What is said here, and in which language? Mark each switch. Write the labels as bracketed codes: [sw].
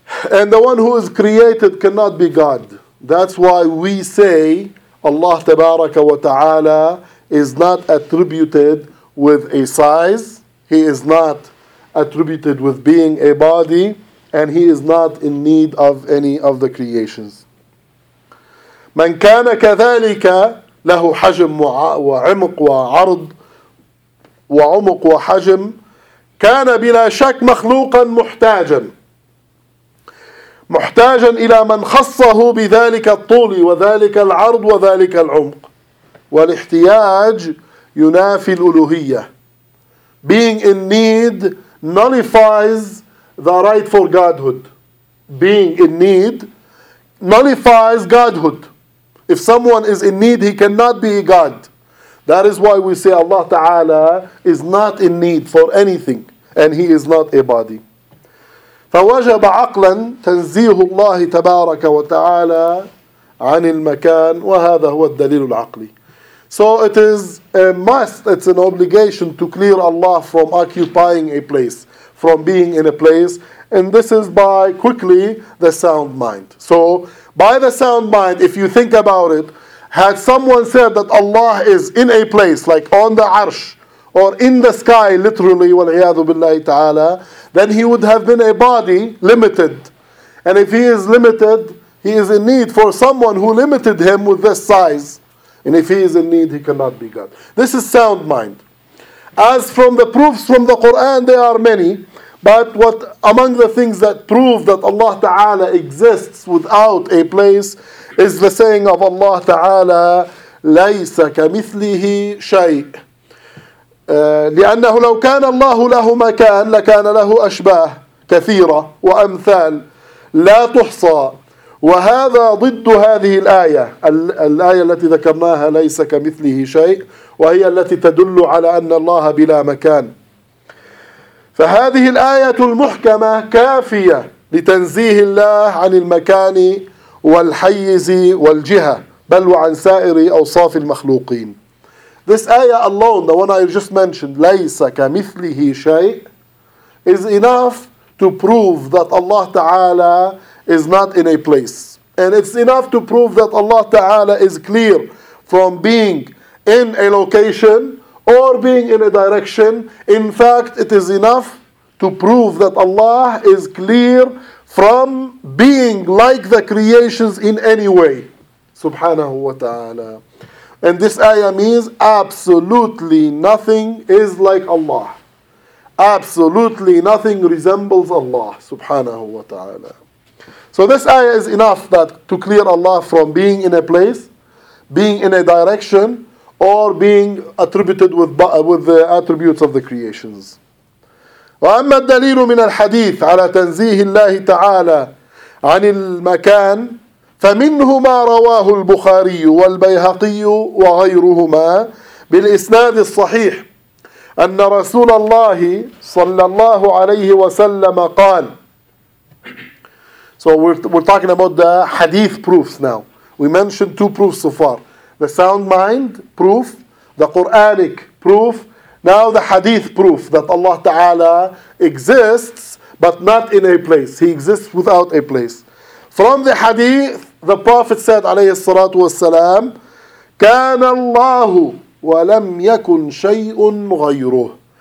[en] And the one who is created cannot be God. That's why we say Allah Tabaraka wa Ta'ala is not attributed with a size. He is not attributed with being a body. And He is not in need of any of the creations. [ar] مَنْ كَانَ كَذَلِكَ لَهُ حَجْم وَعِمْق وَعَرْض وَعُمْق وَحَجْم كَانَ بِلَا شَكْ مَخْلُوقًا مُحْتَاجًا محتاجا إلى من خصه بذلك الطول وذلك العرض وذلك العمق والاحتياج ينافي الألوهية. [en] Being in need nullifies the right for Godhood. Being in need nullifies Godhood. If someone is in need, he cannot be a God. That is why we say Allah Ta'ala is not in need for anything and He is not a body. [ar] فوجب عقلا تنزيه الله تبارك وتعالى عن المكان وهذا هو الدليل العقلي. [en] So it is a must, it's an obligation to clear Allah from occupying a place, from being in a place, and this is by quickly the sound mind. So by the sound mind, if you think about it, had someone said that Allah is in a place, like on the arsh, or in the sky, literally, [ar] وَالْعِيَاذُ بِاللَّهِ تَعَالَى, [en] then he would have been a body, limited. And if he is limited, he is in need for someone who limited him with this size. And if he is in need, he cannot be God. This is sound mind. As from the proofs from the Quran, there are many. But what among the things that prove that Allah Ta'ala exists without a place is the saying of Allah Ta'ala, [ar] لَيْسَ كَمِثْلِهِ شَيْءٍ. لأنه لو كان الله له مكان لكان له أشباه كثيرة وأمثال لا تحصى وهذا ضد هذه الآية الآية التي ذكرناها ليس كمثله شيء وهي التي تدل على أن الله بلا مكان فهذه الآية المحكمة كافية لتنزيه الله عن المكان والحيز والجهة بل وعن سائر أوصاف المخلوقين. [en] This ayah alone, the one I just mentioned, [ar] لَيْسَ كَمِثْلِهِ شَيْءٍ, [en] is enough to prove that Allah Ta'ala is not in a place. And it's enough to prove that Allah Ta'ala is clear from being in a location or being in a direction. In fact, it is enough to prove that Allah is clear from being like the creations in any way. So subhanahu wa ta'ala. And this ayah means absolutely nothing is like Allah. Absolutely nothing resembles Allah subhanahu wa ta'ala. So this ayah is enough that to clear Allah from being in a place, being in a direction, or being attributed with the attributes of the creations. [ar] وأما الدليل من الحديث على تنزيه الله تعالى عن المكان فمنه ما رواه البخاري والبيهقي وغيرهما بالإسناد الصحيح أن رسول الله صلى الله عليه وسلم قال. [en] So we're talking about the hadith proofs now. We mentioned two proofs so far. The sound mind proof, the Quranic proof, now the hadith proof that Allah Ta'ala exists, but not in a place. He exists without a place. From the hadith, the Prophet said, alayhi salatu wassalam, [ar] كَانَ اللَّهُ وَلَمْ يَكُنْ شَيْءٌ مُغَيْرُهُ.